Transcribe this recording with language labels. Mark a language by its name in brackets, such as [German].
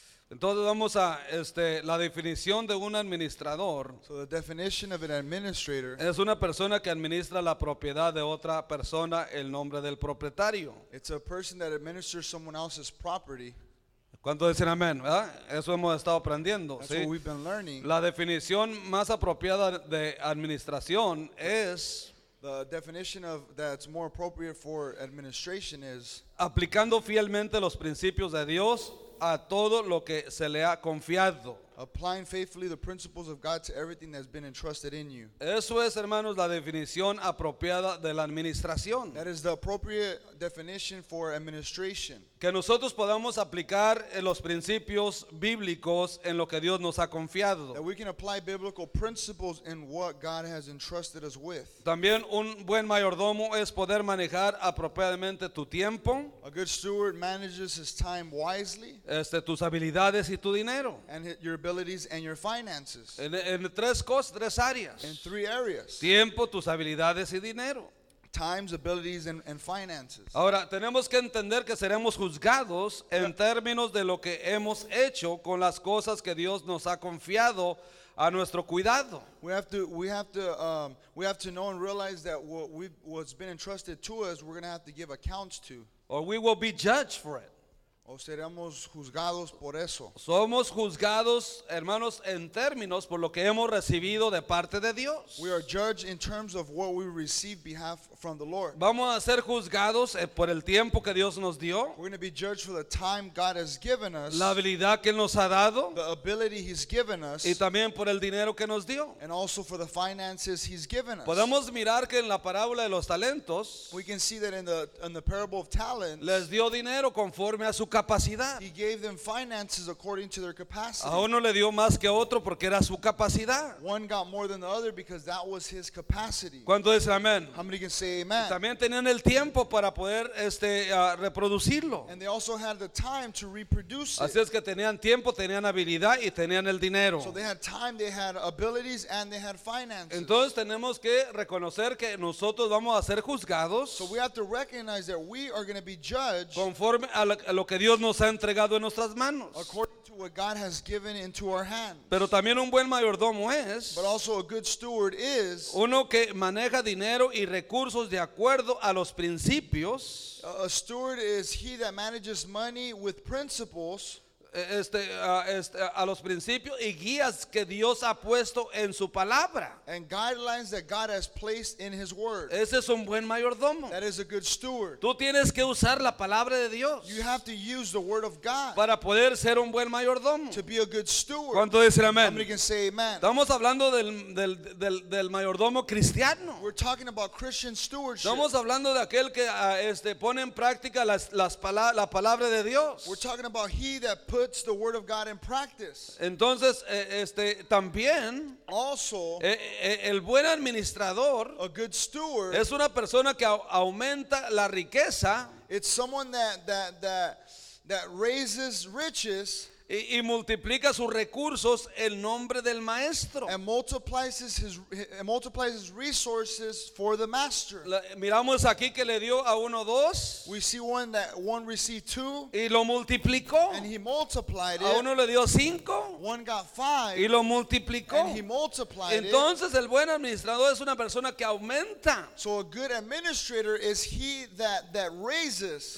[Spanish] Entonces vamos a la definición de un administrador. [English] So the definition of an administrator [Spanish] es una persona que administra la propiedad de otra persona en nombre del propietario. [English] It's a person that administers someone else's property. [Spanish] ¿Cuánto dicen amén? Eso hemos estado aprendiendo. [English] That's [Spanish] ¿sí? [English] What we've been learning. [Spanish] La definición más apropiada de administración es [English] the definition of that's more appropriate for administration is [Spanish] aplicando fielmente los principios de Dios a todo lo que se le ha confiado. [English] Applying faithfully the principles of God to everything that's been entrusted in you. [Spanish] Eso es, hermanos, la definición apropiada de la administración. [English] That is the appropriate definition for administration. [Spanish] Que nosotros podamos aplicar los principios bíblicos en lo que Dios nos ha confiado. [English] That we can apply biblical principles in what God has entrusted us with. [Spanish] También un buen mayordomo es poder manejar apropiadamente tu tiempo. [English] A good steward manages his time wisely. [Spanish] Tus habilidades y tu dinero. [English] And your abilities and your finances. [Spanish] En tres cosas, tres áreas. [English] In 3 areas. [Spanish] Tiempo, tus habilidades y dinero. [English] Times, abilities, and finances. [Spanish] Ahora, tenemos que entender que seremos juzgados en términos de lo que hemos hecho con las cosas que Dios nos ha confiado a nuestro cuidado. [English] We have to know and realize that what's been entrusted to us, we're going to have to give accounts to. Or we will be judged for it. [Spanish] O seremos juzgados por eso. Somos juzgados, hermanos, en términos por lo que hemos recibido de parte de Dios. [English] We are judged in terms of what we receive behalf from the Lord. [Spanish] Vamos a ser juzgados por el tiempo que Dios nos dio. [English] We're going to be judged for the time God has given us. [Spanish] La habilidad que nos ha dado. [English] The ability He's given us. [Spanish] Y también por el dinero que nos dio. [English] And also for the finances He's given us. [Spanish] Podemos mirar que en la parábola de los talentos. [English] We can see that in the parable of talents. [Spanish] Les dio dinero conforme a su capacidad. [English] He gave them finances according to their capacity. [Spanish] A uno le dio más que a otro porque era su capacidad. [English] One got more than the other because that was his capacity. [Spanish] ¿Cuánto dice amén? [English] How many can say amen? [Spanish] También tenían el tiempo para poder reproducirlo. [English] And they also had the time to reproduce [Spanish] it. Así es que tenían tiempo, tenían habilidad y tenían el dinero. [English] So they had time, they had abilities, and they had finances. [Spanish] Entonces tenemos que reconocer que nosotros vamos a ser juzgados. [English] So we have to recognize that we are going to be judged [Spanish] conforme a lo que Dios nos ha entregado en nuestras manos. [English] According to what God has given into our hands. [Spanish] Pero también un buen mayordomo es, [English] but also a good steward is, [Spanish] uno que maneja dinero y recursos de acuerdo a los principios. [English] A steward is he that manages money with principles. [Spanish] A los principios y guías que Dios ha puesto en su palabra. [English] And guidelines that God has placed in His word. [Spanish] Ese es un buen mayordomo. [English] That is a good steward. [Spanish] Tú tienes que usar la palabra de Dios. [English] You have to use the word of God. [Spanish] Para poder ser un buen mayordomo. [English] To be a good steward. [Spanish] ¿Cuánto dicen amén? [English] Somebody can say amen. [Spanish] Estamos hablando del mayordomo cristiano. [English] We're talking about Christian stewardship. [Spanish] Estamos hablando de aquel que pone en práctica la palabra de Dios. [English] We're talking about he that puts the word of God in practice. [Spanish] Entonces, también, [English] also, [Spanish] el buen administrador, [English] a good steward, [Spanish] es una persona que aumenta la riqueza. [English] It's someone that raises riches. [Spanish] Y multiplica sus recursos en nombre del maestro. [English] And multiplies his resources for the master. [Spanish] Miramos aquí que le dio a uno dos. [English] We see one that one received two. [Spanish] Y lo multiplicó. [English] And he multiplied it. [Spanish] A uno le dio cinco. [English] One got five. [Spanish] Y lo multiplicó. [English] And he multiplied [Spanish] Entonces, el buen administrador es una persona que aumenta. [English] So a good administrator is he that raises.